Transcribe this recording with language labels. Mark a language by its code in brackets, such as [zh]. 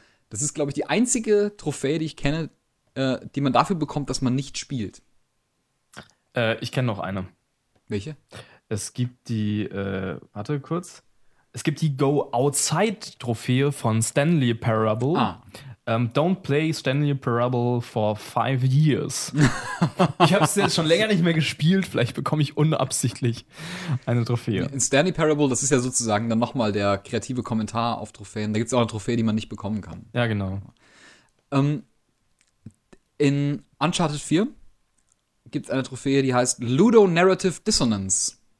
[de] Das ist, glaube ich, die einzige Trophäe, die ich kenne, die man dafür bekommt, dass man nicht spielt. Ich kenne noch eine. Welche? Es gibt die, warte kurz. Es gibt die Go-Outside-Trophäe von Stanley Parable. Ah. [en] Don't play Stanley Parable for 5 years. [de] Ich habe es jetzt schon länger nicht mehr gespielt. Vielleicht bekomme ich unabsichtlich eine Trophäe. In Stanley Parable, das ist ja sozusagen dann nochmal der kreative Kommentar auf Trophäen. Da gibt es auch eine Trophäe, die man nicht bekommen kann. Ja, genau. In Uncharted 4 gibt es eine Trophäe, die heißt Ludonarrative Dissonance.